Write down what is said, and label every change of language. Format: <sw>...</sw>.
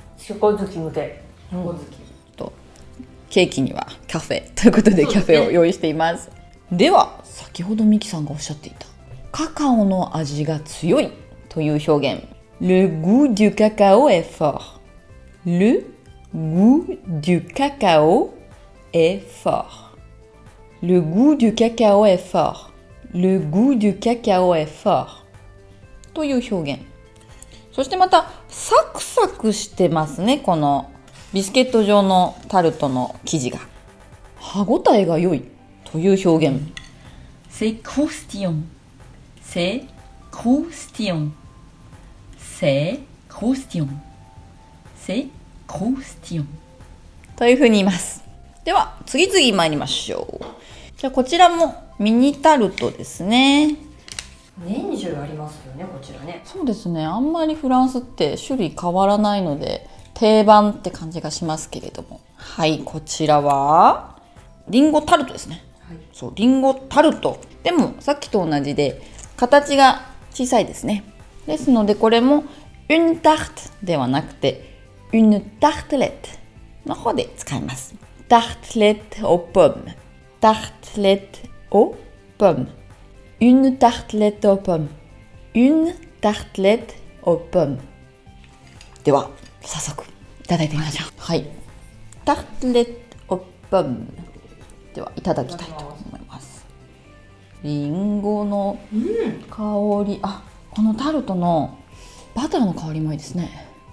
<ja>チョコ好き向け、チョコ好きと、ケーキにはカフェということでカフェを用意しています。では先ほどミキさんがおっしゃっていたカカオの味が強いという表現、</ja> <fr>Le goût du cacao est fort. Le goût du cacao est fort. Le goût du cacao est fort. Le goût du cacao est fort.</fr> <ja>という表現。そしてまたサクサクしてますね、このビスケット状のタルトの生地が。歯ごたえが良いという表現。</ja> <fr>C'est croustillant. C'est croustillant. C'est croustillant. C'est クロスティオン</fr> <ja>というふうに言います。では次々参りましょう。じゃあこちらもミニタルトですね。年中ありますよね、こちらね。そうですね、あんまりフランスって種類変わらないので定番って感じがしますけれども、はい、こちらはリンゴタルトですね、はい、そう、リンゴタルトでもさっきと同じで形が小さいですね。ですのでこれもユンタルトではなくてUne tartelette の方で使います。</ja> <fr>Tartelette aux pommes. Tartelette aux pommes. Une tartelette aux pommes. Une tartelette aux pommes.</fr> <ja>では早速いただいてみましょう。はい、 Tartelette aux pommes ではいただきたいと思います。リンゴの香り、あ、このタルトのバターの香りもいいですね。</ja>